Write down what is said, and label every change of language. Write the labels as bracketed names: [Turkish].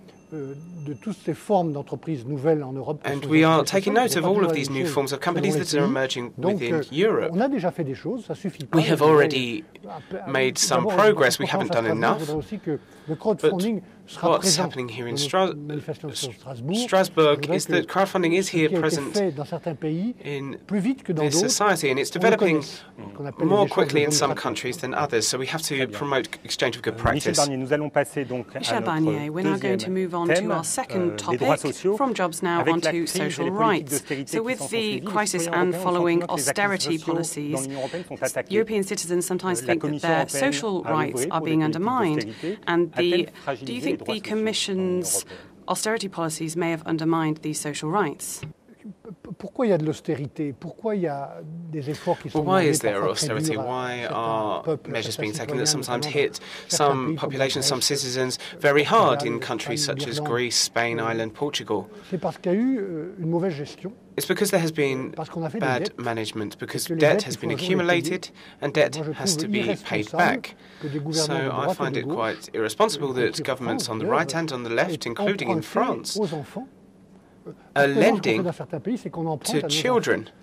[French] De toutes ces formes d'entreprises nouvelles en Europe. [English] And we are taking note of all of these new forms of companies that are emerging within Europe. [French] On a déjà fait des choses, ça suffit pas. [English] We have already made some progress, we haven't done enough. But what's happening here in Strasbourg is that crowdfunding is here present in this society, and it's developing more quickly in some countries than others, so we have to promote exchange of good practice. Michel Barnier, we're now going to move on to our second topic, from jobs now onto social rights. So with the crisis and following austerity policies, European citizens sometimes think that their social rights are being undermined, and do you think the Commission's austerity policies may have undermined these social rights? [French] pourquoi il y a de l'austérité? Pourquoi il y a des efforts qui sont [English] Why is there austerity? Why are measures being taken that sometimes hit some populations, some citizens very hard in countries such as Greece, Spain, Ireland, Portugal? [French] C'est parce qu'il y a eu une mauvaise gestion. [English] It's because there has been bad management, because debt has been accumulated and debt has to be paid back. So I find it quite irresponsible that governments on the right and on the left, including in France, are lending to children.